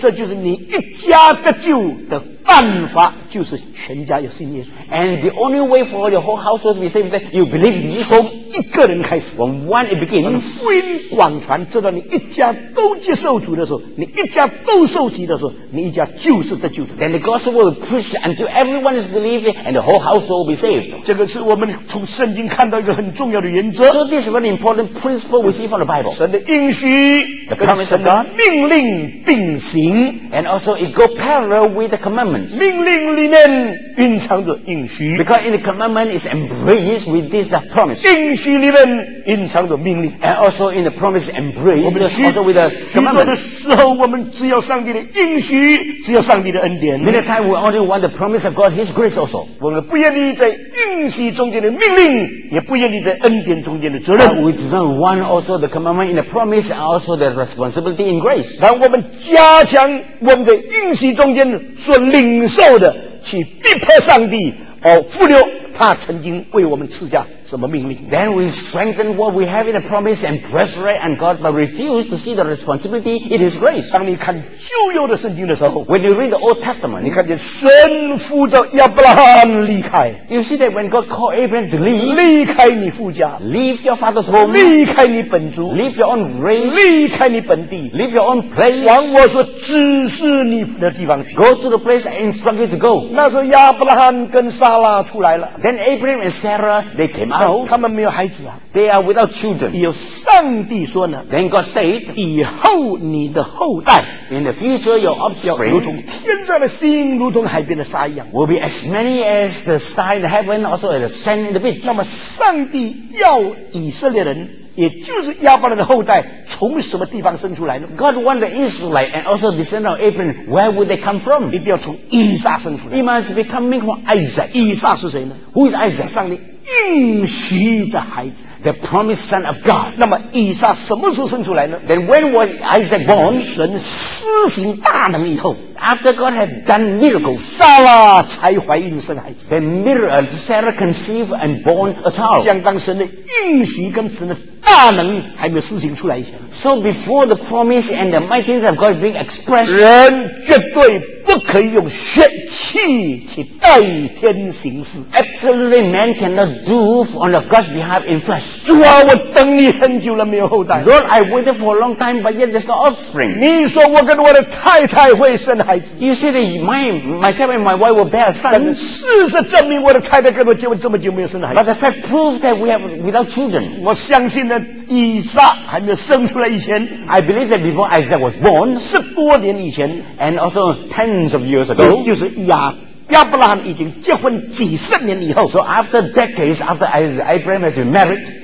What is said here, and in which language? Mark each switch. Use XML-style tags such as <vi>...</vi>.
<zh>这就是你一家得救的办法就是全家有信耶稣</zh> <en>And the only way for your whole household to be saved is that you believe in Jesus</en> <zh>从一个人开始</zh> <en>From one it begins</en> <zh>当福音广传直到你一家都接受主的时候你一家都受洗的时候你一家就是得救的</zh> <en>Then the gospel will preach until everyone is believing and the whole household will be saved</en> <zh>这个是我们从圣经看到一个很重要的原则</zh> <en>So this is a very important principle we see from the Bible</en> <zh>神的应许</zh> <en>The promise of God</en> <zh>命令并行</zh> <en>And also it goes parallel with the commandment</en> <zh>命令里面蕴藏着应许</zh> <en>Because in the commandment is embraced with this promise</en> <zh>应许里面蕴藏着命令</zh> <en>And also in the promise embraced also with the commandment</en> <zh>许多的时候我们只要上帝的应许只要上帝的恩典</zh> <en>Many times we only want the promise of God His grace also</en> <zh>我们不愿意在应许中间的命令也不愿意在恩典中间的责任</zh> <en>But we do not want also the commandment in the promise and also the responsibility in grace</en> <zh>让我们加强我们在应许中间所领受的去逼迫上帝而复留他曾经为我们赐下什么命令</zh> <en>Then we strengthen what we have in the promise and pressure on God but refuse to see the responsibility in His grace</en> <zh>当你看旧约的圣经的时候</zh> <en>When you read the Old Testament</en> <zh>你看见神呼召亚伯拉罕离开</zh> <en>You see that when God called Abraham to leave</en> <zh>离开你父家</zh> <en>Leave your father's home</en> <zh>离开你本族</zh> <en>Leave your own race</en> <zh>离开你本地</zh> <en>Leave your own place</en> <zh>往我所指示你的地方去</zh> <en>Go to the place I instruct you to go</en> <zh>那时候亚伯拉罕跟撒拉出来了</zh> <en>Then Abraham and Sarah they came out</en> <zh>他们没有孩子啊</zh> <en>They are without children</en> <zh>有上帝说呢</zh> <en>Then God said</en> <zh>以后你的后代</zh> <en>In the future your offspring</en> <zh>如同天上的星如同海边的沙一样</zh> <en>Will be as many as the star in the heaven also as the sand in the beach</en> <zh>那么上帝要以色列人也就是亚伯拉罕的后代从什么地方生出来呢</zh> <en>God wanted the Israelite and also descendants of Abraham where would they come from</en> <zh>一定要从以撒生出来</zh> <en>It must be coming from Isaac</en> <zh>以撒是谁呢</zh> <en>Who is Isaac</en> <zh>上帝应许的孩子</zh> <en>The promised son of God</en> <zh>那么以撒什么时候生出来呢</zh> <en>Then when was Isaac born</en> <zh>神施行大能以后</zh> <en>After God had done miracles</en> <zh>撒拉才怀孕生孩子</zh> <en>Then Sarah conceived and born a child</en> <zh>相当神的应许跟神的大能还没有施行出来以前</zh> <en>So before the promise and the mighty things of God being expressed</en> <zh>人绝对不可以用血气去代天行事</zh> <en>Absolutely man cannot do on the God's behalf in flesh</en> <zh>主啊我等你很久了没有后代</zh> <en>Lord I waited for a long time but yet there's no offspring</en> <zh>你说我跟我的太太会生孩子</zh> <en>You see that myself and my wife will bear a son</en> <zh>等事实证明我的太太跟我结婚这么久没有生孩子</zh> <en>But the fact proves that we have without children</en> <zh>我相信呢以撒还没有生出来以前</zh> <en>I believe that before Isaac was born</en> <zh>十多年以前</zh> <en>and also tens of years ago</en> <zh>就是亚伯拉罕已经结婚几十年以后</zh> <en>So after decades after Abraham has been married</en>